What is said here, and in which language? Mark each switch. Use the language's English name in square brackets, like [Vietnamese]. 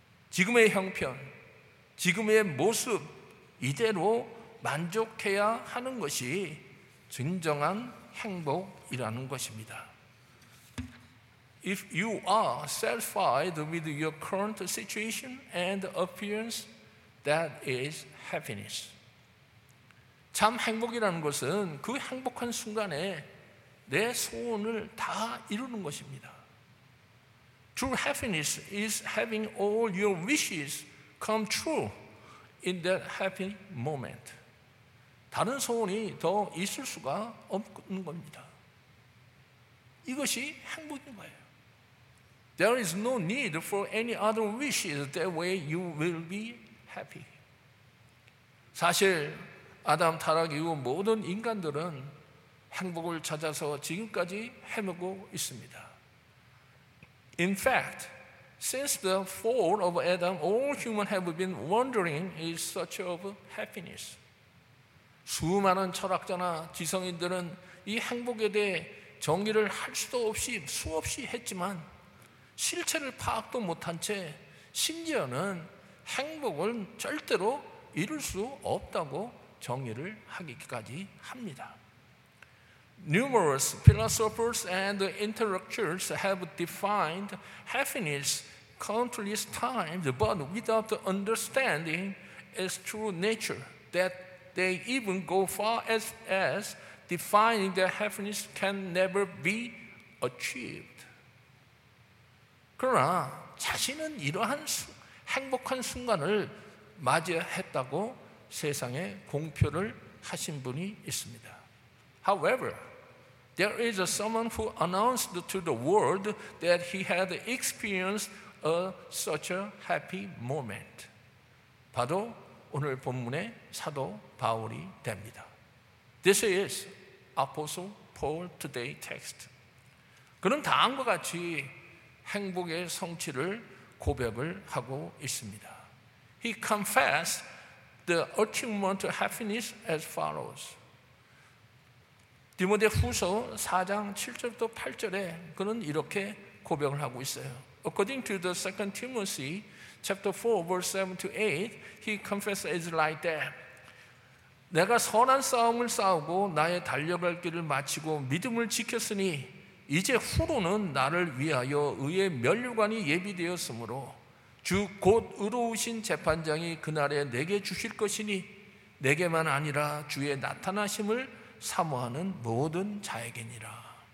[Korean] 지금의 형편, 지금의 모습 이대로 만족해야 하는 것이 진정한 행복이라는 것입니다. [English] If you are satisfied with your current situation and appearance, that is happiness. [Korean] 참 행복이라는 것은 그 행복한 순간에 내 소원을 다 이루는 것입니다. [English] True happiness is having all your wishes come true in that happy moment. [Korean] 다른 소원이 더 있을 수가 없는 겁니다. 이것이 행복인 거예요. [English] There is no need for any other wishes. That way you will be happy. [Korean] 사실 아담 타락 이후 모든 인간들은 행복을 찾아서 지금까지 헤매고 있습니다. [English] In fact, since the fall of Adam, all humans have been wondering in search of happiness. [Korean] 수많은 철학자나 지성인들은 이 행복에 대해 정의를 할 수도 없이 수없이 했지만 실체를 파악도 못한 채 심지어는 행복을 절대로 이룰 수 없다고 정의를 하기까지 합니다. [English] Numerous philosophers and intellectuals have defined happiness countless times, but without understanding its true nature, that they even go far as defining that happiness can never be achieved. [Korean] 그러나 자신은 이러한 행복한 순간을 맞이했다고 세상에 공표를 하신 분이 있습니다. [English] However, there is someone who announced to the world that he had experienced such a happy moment. [Korean] 바로 오늘 본문의 사도 바울이 됩니다. [English] This is Apostle Paul today text. [Korean] 그는 다음과 같이 행복의 성취를 고백을 하고 있습니다. [English] He confessed the achievement of happiness as follows. [Korean] 디모데 후서 4장 7절부터 8절에 그는 이렇게 고백을 하고 있어요. [English] According to the 2 Timothy chapter 4 verse 7 to 8, he confesses like that. [Korean] 내가 선한 싸움을 싸우고 나의 달려갈 길을 마치고 믿음을 지켰으니 이제 후로는 나를 위하여 의의 면류관이 예비되었으므로 주 곧 의로우신 재판장이 그날에 내게 주실 것이니 내게만 아니라 주의 나타나심을 사모하는 모든 자에게니라.